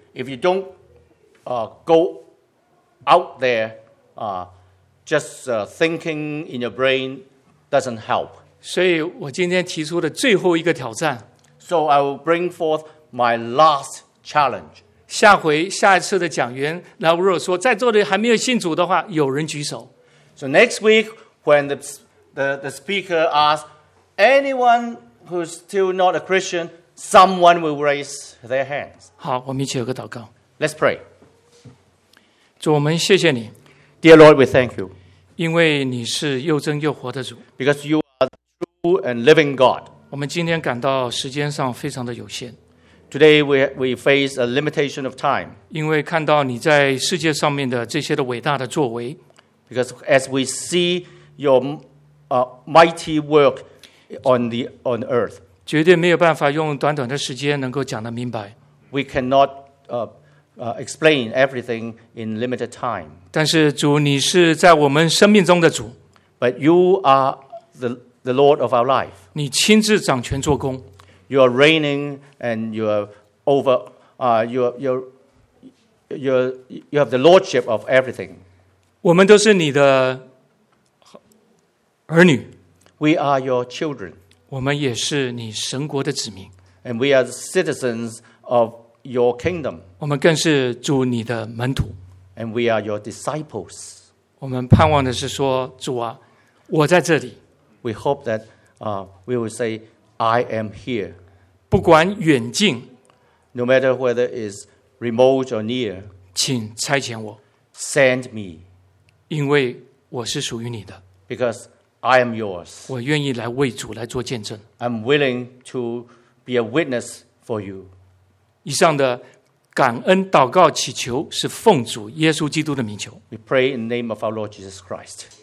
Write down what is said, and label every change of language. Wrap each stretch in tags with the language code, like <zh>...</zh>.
<en>If you don't go out there, just thinking in your brain doesn't help.</en> <zh>所以我今天提出的最后一个挑战。</zh> <en>So I will bring forth my last challenge.</en> <zh>下一次的讲员，那如果说在座的还没有信主的话，有人举手。</zh> <en>So next week, when the speaker asks anyone who's still not a Christian, someone will raise their hands.</en> <zh>好，我们一起有个祷告。</zh> <en>Let's pray.</en> <zh>主，我们谢谢你。</zh> <en>Dear Lord, we thank you.</en> <zh>因为你是又真又活的主。</zh> <en>Because you are the true and living God.</en> <zh>我们今天感到时间上非常的有限。</zh> <en>Today we face a limitation of time.</en> <zh>因为看到你在世界上面的这些的伟大的作为。</zh> <en>Because as we see your mighty work on the earth,</en> <zh>绝对没有办法用短短的时间能够讲得明白。</zh> <en>We cannot explain everything in limited time.</en> <zh>但是主，你是在我们生命中的主。</zh> <en>But you are the Lord of our life.</en> <zh>你亲自掌权做工。</zh> <en>You are reigning and you are over. You have the lordship of everything.</en> <zh>我们都是你的儿女。</zh> <en>We are your children.</en> <zh>我们也是你神国的子民。</zh> <en>And we are the citizens of your kingdom.</en> <zh>我们更是主你的门徒。</zh> <en>And we are your disciples.</en> <zh>我们盼望的是说，主啊，我在这里。</zh> <en>We hope that we will say, I am here.</en> <zh>不管远近。</zh> <en>No matter whether it's remote or near.</en> <zh>请差遣我。</zh> <en>Send me.</en> <zh>因为我是属于你的。</zh> <en>Because I am yours.</en> <zh>我愿意来为主来做见证。</zh> <en>I'm willing to be a witness for you.</en> <zh>以上的感恩祷告祈求是奉主耶稣基督的名求。</zh> <en>We pray in the name of our Lord Jesus Christ.</en>